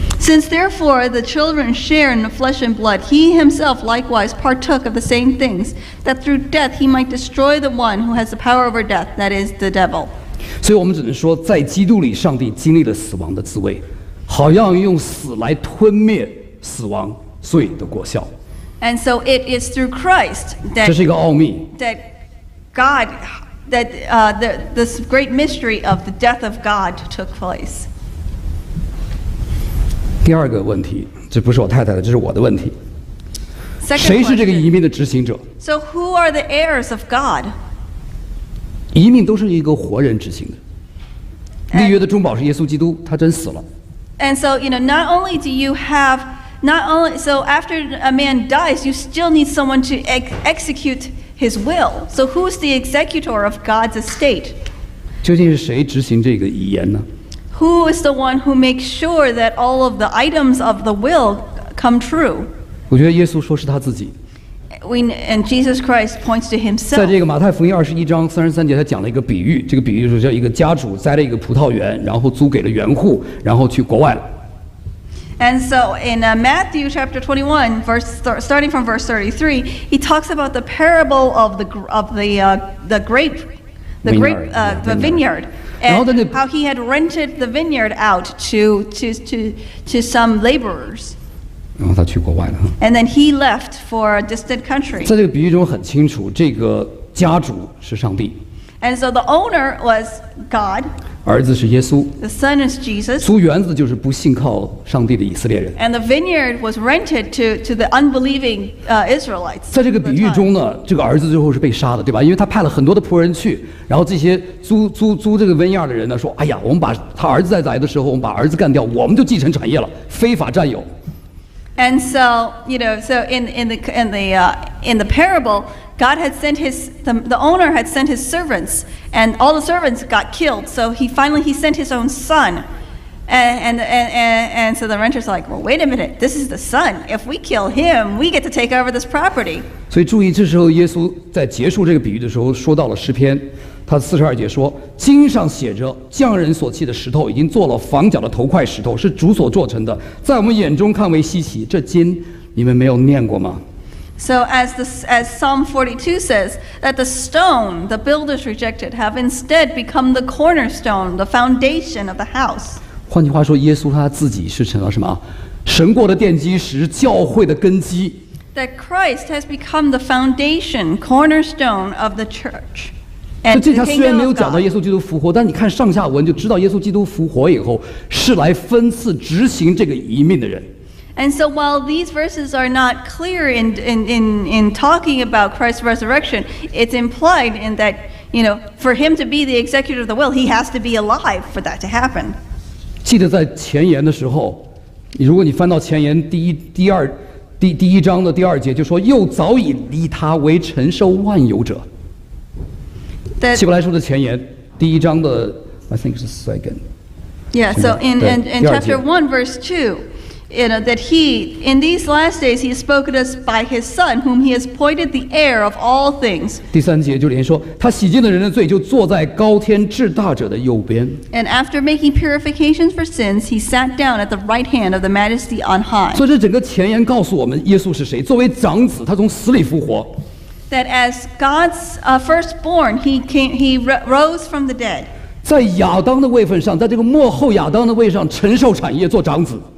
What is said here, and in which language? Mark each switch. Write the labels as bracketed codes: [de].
[en] Since therefore the children share in the flesh and blood, he himself likewise partook of the same things, that through death he might destroy the one who has the power over death, that is the devil. [zh] 所以我们只能说，在基督里，上帝经历了死亡的滋味。好像用死来吞灭死亡罪的果效。 [en] And so it is through Christ that [zh] 这是一个奥秘。 [en] That God, that this great mystery of the death of God took place. [zh] 第二个问题，这不是我太太的，这是我的问题。 [en] Second、 [zh] 谁是这个移民的执行者 [en] ？So who are the heirs of God? [zh] 移民都是一个活人执行的。立约的中保是耶稣基督，他真死了。 [en] And so, you know, not only do you have, not only, so after a man dies, you still need someone to execute his will. So who's the executor of God's estate? [zh] 究竟是谁执行这个遗言呢? [en] Who is the one who makes sure that all of the items of the will come true? [zh] 我觉得耶稣说是他自己。 [en] And Jesus Christ points to himself. [zh] 在这个马太福音二十一章三十三节，他讲了一个比喻。这个比喻就是叫一个家主栽了一个葡萄园，然后租给了园户，然后去国外了。 [en] And so in Matthew chapter 21, verse starting from verse 33, he talks about the parable of the vineyard, and how he had rented the vineyard out to some laborers. [zh] 然后他去国外了。 [en] And then he left for a distant country. [zh] 在这个比喻中很清楚，这个家主是上帝。 [en] And so the owner was God. [zh] 儿子是耶稣。 [en] The son is Jesus. [zh] 租园子就是不信靠上帝的以色列人。 [en] And the vineyard was rented to the unbelieving Israelites. [zh] 在这个比喻中呢，这个儿子最后是被杀的，对吧？因为他派了很多的仆人去，然后这些租这个 vineyard 的人呢说：“哎呀，我们把他儿子在宰的时候，我们把儿子干掉，我们就继承产业了，非法占有。” [en] And so, you know, so in the parable, God had sent his, the owner had sent his servants, and all the servants got killed. So he finally sent his own son. And so the renters are like, well, wait a minute, this is the son. If we kill him, we get to take over this property. [zh] 所以注意，这时候耶稣在结束这个比喻的时候，说到了诗篇，他42节说，经上写着，匠人所弃的石头已经做了房角的头块石头，是主所做成的，在我们眼中看为稀奇。这经你们没有念过吗？ [en] So as Psalm 42 says, that the stone the builders rejected have instead become the cornerstone, the foundation of the house. [zh] 换句话说，耶稣他自己是成了什么？神国的奠基石，教会的根基。 [en] That Christ has become the foundation, cornerstone of the church. And [zh] 这条虽然没有讲到耶稣基督复活，但你看上下文就知道耶稣基督复活以后是来分赐执行这个遗命的人。 [en] And so while these verses are not clear in talking about Christ's resurrection, it's implied in that, you know, for him to be the executor of the will, he has to be alive for that to happen. [zh] 记得在前言的时候，如果你翻到前言第一章的第二节，就说又早已立他为承受万有者。希伯来书的前言第一章的 ， [en] I think it's the second. Yeah. So in chapter 1, verse 2. You know, that he, in these last days, he has spoken to us by his son, whom he has appointed the heir of all things. [zh] 第三节就连说，他洗净的人的罪就坐在高天至大者的右边。 [en] And after making purifications for sins, he sat down at the right hand of the majesty on high. [zh] 所以这整个前言告诉我们耶稣是谁，作为长子，他从死里复活。 [en] That as God's firstborn, he rose from the dead. [zh] 在亚当的位份上，在这个末后亚当的位上承受产业做长子。